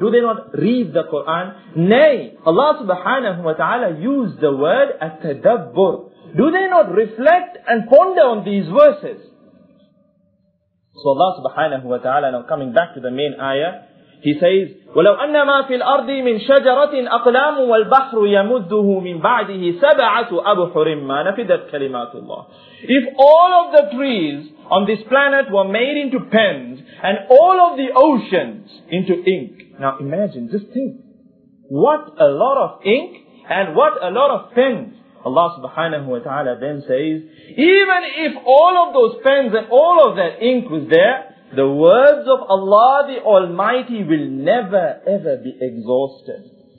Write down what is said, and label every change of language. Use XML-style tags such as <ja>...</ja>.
<en>Do they not read the Qur'an? Nay, Allah subhanahu wa ta'ala used the word التدبر. Do they not reflect and ponder on these verses? So Allah subhanahu wa ta'ala, now coming back to the main ayah, He says,</en> <ar>وَلَوْ أَنَّمَا فِي الْأَرْضِ مِنْ شَجَرَةٍ أَقْلَامٌ وَالْبَحْرُ يَمُدُّهُ مِنْ بَعْدِهِ سَبْعَةُ أَبْحُرٍ مَا نَفِدَتْ كَلِمَاتُ اللَّهِ.</ar> <en>If all of the trees on this planet were made into pens and all of the oceans into ink. Now imagine, just think. What a lot of ink and what a lot of pens. Allah subhanahu wa ta'ala then says, even if all of those pens and all of that ink was there, the words of Allah the Almighty will never ever be exhausted.</en>